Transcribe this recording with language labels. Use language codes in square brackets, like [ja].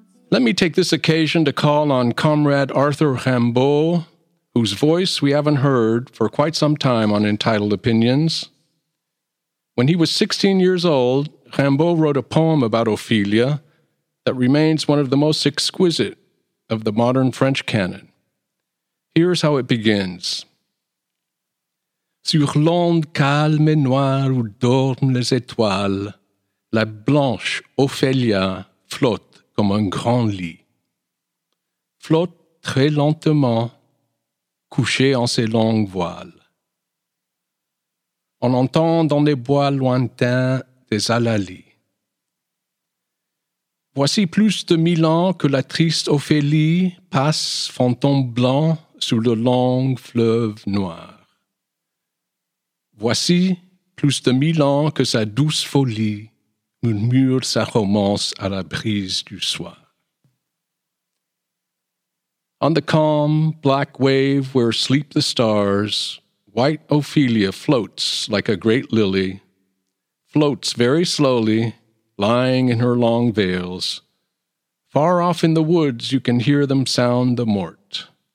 [en] Let me take this occasion to call on Comrade Arthur Rimbaud, whose voice we haven't heard for quite some time on Entitled Opinions. When he was 16 years old, Rimbaud wrote a poem about Ophelia that remains one of the most exquisite of the modern French canon. Here's how it begins. [fr] Sur l'onde calme et noire où dorment les étoiles, la blanche Ophelia flotte comme un grand lit. Flotte très lentement, couchée en ses longues voiles. On entend dans les bois lointains des alalis. Voici plus de 1000 ans que la triste Ophélie passe fantôme blanc sur le long fleuve noir. Voici plus de 1000 ans que sa douce folie murmure sa romance à la brise du soir. [en] On the calm, black wave where sleep the stars, white Ophelia floats like a great lily, floats very slowly, lying in her long veils. Far off in the woods you can hear them sound the mort.